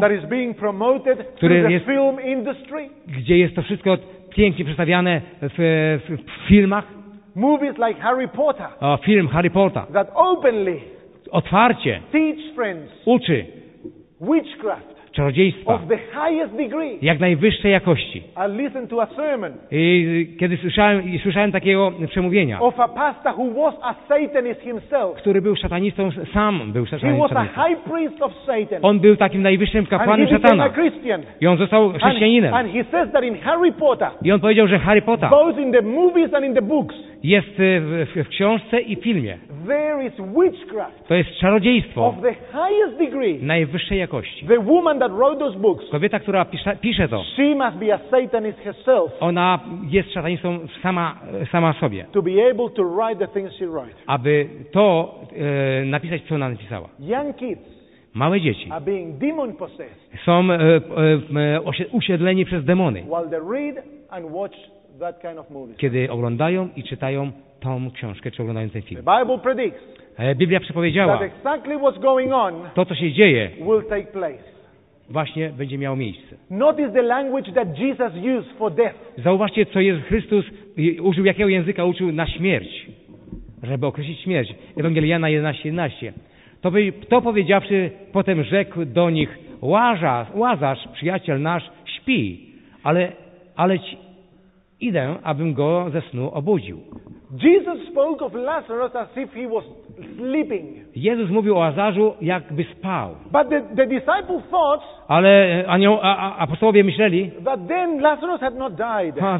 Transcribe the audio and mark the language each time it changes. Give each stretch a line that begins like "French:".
English: that is being promoted through the film industry,
Polish: gdzie jest to wszystko pięknie przedstawiane w filmach,
English: movies like Harry Potter,
Polish: film Harry Potter,
English: that openly,
Polish: otwarcie,
English: teach friends,
Polish: uczy
English: witchcraft,
Polish: czarodziejstwa,
English: of the highest degree,
Polish: jak najwyższej jakości.
English: I listened to a sermon.
Polish: I kiedy słyszałem takiego przemówienia.
English: Of a pastor who was a Satanist himself.
Polish: Który był szatanistą, sam był szatanistą.
English: He was a high priest of Satan.
Polish: On był takim najwyższym kapłanem szatana.
English: And he became a Christian.
Polish: I on został chrześcijaninem.
English: And he says that in Harry Potter.
Polish: I on powiedział, że Harry Potter.
English: Both in the movies and in the books.
Polish: Jest w książce i filmie.
English: There is witchcraft.
Polish: To jest czarodziejstwo.
English: Of the highest degree.
Polish: Najwyższej jakości.
English: The woman that wrote those books.
Polish: Kobieta, która pisze to.
English: She must be a Satanist herself.
Polish: Ona jest szatanistą sama sobie.
English: To be able to write the things she wrote.
Polish: Aby to napisać, co ona napisała.
English: Young kids.
Polish: Małe dzieci.
English: Are being demon possessed.
Polish: Są usiedleni przez demony.
English: While they read and watch. That kind of movie.
Polish: Kiedy oglądają i czytają tą książkę, czy oglądają ten film.
English: The Bible predicts,
Polish: Biblia przepowiedziała,
English: that exactly what's going on,
Polish: to, co się dzieje,
English: will take place.
Polish: właśnie będzie miało miejsce.
English: Notice the language that Jesus used for death.
Polish: Zauważcie, co Jezus Chrystus użył, jakiego języka użył na śmierć, żeby określić śmierć. Ewangelia Jana 11:11. To powiedziawszy, potem rzekł do nich: Łazarz, przyjaciel nasz, śpi, ale ci idę, abym go ze snu obudził.
English: Jesus spoke of Lazarus as if he was sleeping.
Polish: Jezus mówił o Łazarzu, jakby spał.
English: But the disciples thought,
Polish: ale apostołowie myśleli,
English: that then Lazarus had not died.